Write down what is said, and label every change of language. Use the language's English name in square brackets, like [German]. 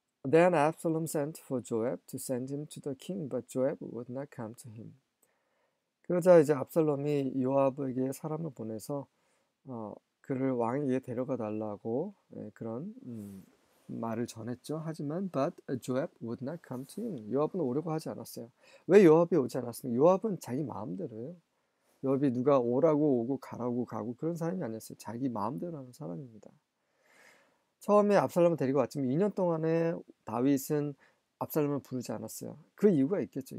[English] Then Absalom sent for Joab to send him to the king, but Joab would not come to him. [Korean] 그러자 이제 압살롬이 요압에게 사람을 보내서 그를 왕에게 데려가 달라고 그런 말을 전했죠. 하지만 [English] but Joab would not come to him. [Korean] 요압은 오려고 하지 않았어요. 왜 요압이 오지 않았습니까? 요압은 자기 마음대로예요. 요압이 누가 오라고 오고 가라고 가고 그런 사람이 아니었어요. 자기 마음대로 하는 사람입니다. 처음에 압살롬을 데리고 왔지만 2년 동안에 다윗은 압살롬을 부르지 않았어요. 그 이유가 있겠죠.